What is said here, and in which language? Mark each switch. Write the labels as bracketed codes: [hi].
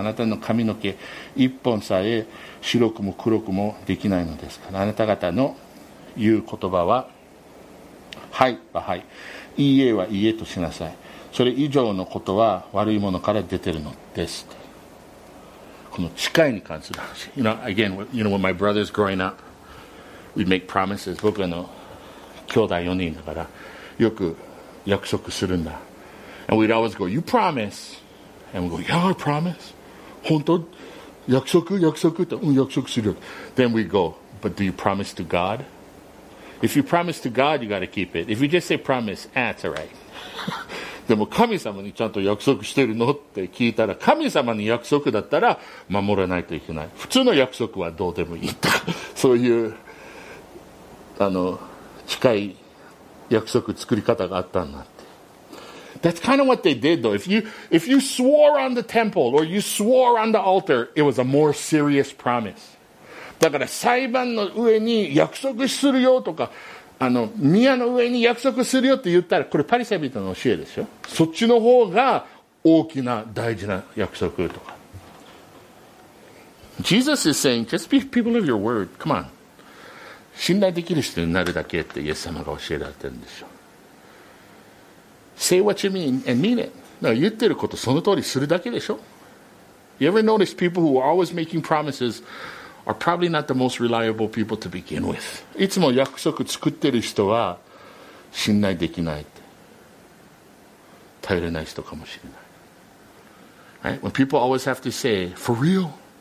[ja] あなたの髪の毛一本さえ白くも黒くもできないのですから。あなた方の言う言葉は、はいははい、いいえはいいえとしなさい。それ以上のことは悪いものから出てるのです。この誓いに関する話。 [en] You know, again, you know, when my brothers growing up, we'd make promises. [ja] 僕の兄弟4人だから、よく約束するんだ。 [en] And we'd always go, you promise. And we'd go, yeah, I promise. [ja] 本当?約束?約束?と、うん、約束するよ。 [en] Then we'd go, but do you promise to God? If you promise to God, you got to keep it. If you just say promise, that's all right. [ja] でも神様にちゃんと約束してるのって聞いたら、神様に約束だったら守らないといけない。普通の約束はどうでもいい。とか、そういう、近い約束作り方があったんだ。 [en] That's kind of what they did, though. If you swore on the temple or you swore on the altar, it was a more serious promise. [ja] だから裁判の上に約束するよとか、宮の上に約束するよって言ったら、これパリサイ人の教えですよ。そっちの方が大きな大事な約束とか。 [en] Jesus is saying, just be people of your word. Come on. [ja] 信頼できる人になるだけってイエス様が教えられてるんでしょ。 [en] Say what you mean and mean it. [ja] No, 言ってることその通りするだけでしょ? [en] You ever notice people who are always making promises are probably not the most reliable people to begin with. [ja] いつも約束作ってる人は信頼できないって。頼れない人かもしれない。 [en] Right? When people always have to say, for real?